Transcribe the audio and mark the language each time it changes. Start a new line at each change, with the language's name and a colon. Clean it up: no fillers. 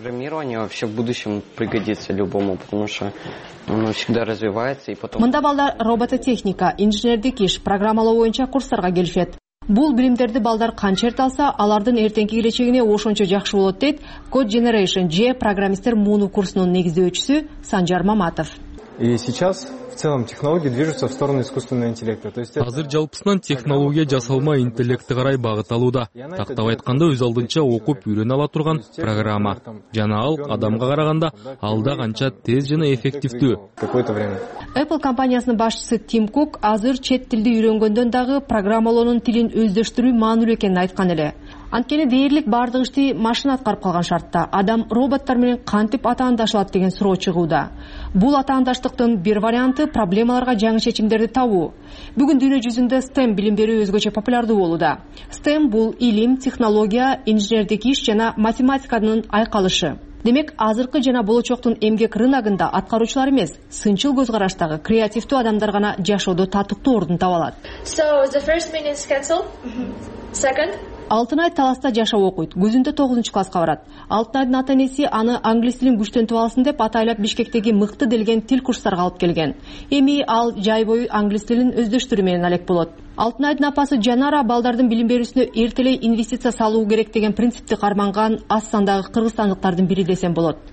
Russian: Вообще в будущем пригодится любому, потому что оно всегда развивается и потом.
Kyrgyz: Мында балдар робототехника, инженердик иш, программалоо боюнча курстарга келишет. Бул билимдерди балдар канча эрте алса, алардын эртеңки келечегине ошончо жакшы болот, дейт Code Generation же программисттер муну курсунун негиздөөчүсү Санжар Маматов.
Russian: И сейчас в целом технологии движутся в сторону искусственного интеллекта. То есть
Kyrgyz: азыр жалпысынан технология жасалма интеллекти карай багыт алууда. Тактап айтканда өз алдынча окуп үйрөнө ала турган программа. Жана ал адамга караганда алда канча тез жана эффективдүү. Apple компаниясынын башчысы Тим Кук азыр чет тилди үйрөнгөндөн дагы программалоонун тилин өздөштүрүү маанилүү экенин айткан эле. Анткени дээрлик бардык ишти машина аткарып калган шартта адам роботтор менен кантип атаандашылат деген суроо чыгууда. Бул атаандаштыктын бир варианты проблемаларга жаңы чечимдерди табуу. Бүгүн дүйнө жүзүндө STEM билим берүү өзгөчө популярдуу болууда. STEM бул илим, технология, инженердик иш жана математиканын айкалышы. Демек, азыркы жана болочоктун эмгек рыногунда аткаруучулар эмес, сынчыл көз караштагы креативдүү адамдар гана жашоодо татыктуу ордун таба алат.
English: So the first meeting is canceled. Second.
Kyrgyz: Алтынай Таласта жашап окуйт. Күзүндө 9-чу класска барат. Алтынайдын ата-энеси аны англис тилин күчтөнтүп алсын деп атайлап Бишкектеги мыкты делген тил курстарга алып келген. Эми ал жай бою англис тилин өздөштүрүү менен алек болот. Алтынайдын апасы Жанара балдардын билим берүүсүнө эртелей инвестиция салуу керек деген принципти карманган аз сандагы кыргызстандыктардын бири десем болот.